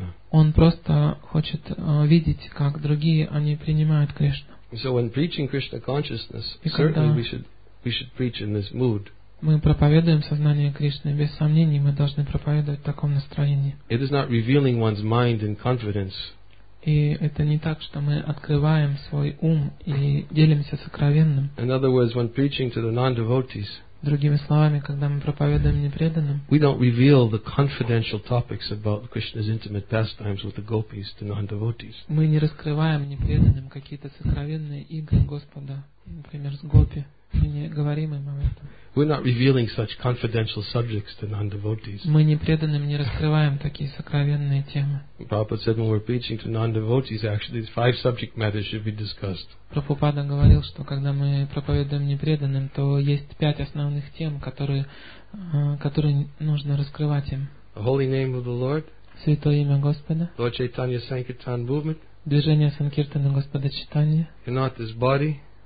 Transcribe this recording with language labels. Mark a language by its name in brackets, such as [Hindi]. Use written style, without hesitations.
[Russian] Он просто хочет видеть, как другие, они принимают Кришну. [English] So when preaching Krishna consciousness, certainly we should preach in this mood. [Russian] Мы проповедуем сознание Кришны, без сомнений, мы должны проповедовать в таком настроении. [English] It is not revealing one's mind in confidence. [Russian] И это не так, что мы открываем свой ум и делимся сокровенным. [English] In other words, when preaching to the non-devotees, [Russian] другими словами, когда мы проповедуем непреданным, [English] we don't reveal the confidential topics about Krishna's intimate pastimes with the gopis to non-devotees. [Russian] Мы не раскрываем непреданным какие-то сокровенные игры Господа, например, с гопи. Мы не говорим им об этом. [English] We're not revealing such confidential subjects to non-devotees. [Russian] Мы непреданным не раскрываем такие сокровенные темы. [English] Prabhupada said, when we're preaching to non-devotees, actually these five subject matters should be discussed. [Russian] Прабхупада говорил, что когда мы проповедуем непреданным, то есть пять основных тем, которые нужно раскрывать им. [English] The holy name of the Lord. [Russian] Святое имя Господа. [English] Lord Chaitanya Sankirtan movement. [Russian] Движение Санкиртана Господа Читания. [English] You're not this body.